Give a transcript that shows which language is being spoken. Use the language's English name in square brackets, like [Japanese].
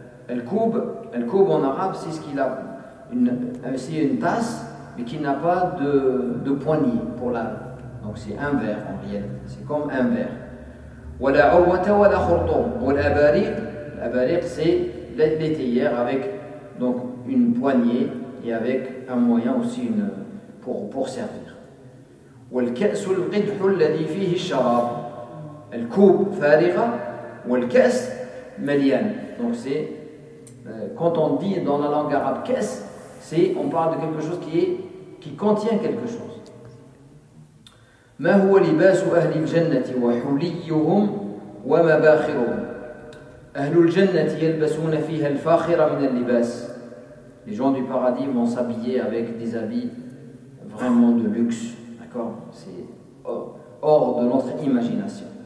[French] Al koub en arabe, c'est ce qu'il a, c'est une tasse mais qui n'a pas de poignée pour la, donc c'est un verre en réalité, c'est comme un verre. [Arabic] Wal awwata wa la khurtum wal abariq. [French] Abariq, c'est l'étayère avec donc une poignée et avec un moyen aussi, une pour servir. [Arabic] والكأس القدح الذي فيه الشراب. الكوب فارغة والكأس مليان. [French] Donc c'est quand on dit dans la langue arabe كأس, c'est on parle de quelque chose qui contient quelque chose. [Arabic] ما هو لباس أهل الجنة وحليهم ومباخرهم. أهل الجنة يلبسون فيها الفاخرة من اللباس. [French] Les gens du paradis vont s'habiller avec des habits vraiment de luxe. C'est hors de notre imagination.